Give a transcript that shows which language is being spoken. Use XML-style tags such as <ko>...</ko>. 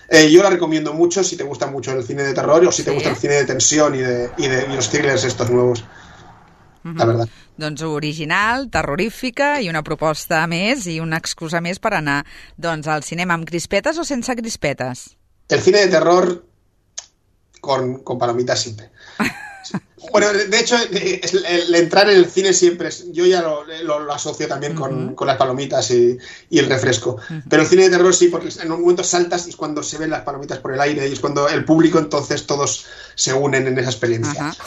<es>Yo la recomiendo mucho si te gusta mucho el cine de terror o si te gusta el cine de tensión y los thrillers estos nuevos. La verdad.</es> <ca>Doncs original, terrorífica i una proposta més i una excusa més per anar doncs, al cinema amb crispetes o sense crispetes?</ca> <es>El cine de terror con palomitas siempre. Bueno, de hecho, el entrar en el cine siempre, yo ya lo asocio también con las palomitas y el refresco. Pero el cine de terror sí, porque en un momento saltas y es cuando se ven las palomitas por el aire y es cuando el público entonces todos se unen en esa experiencia.</es>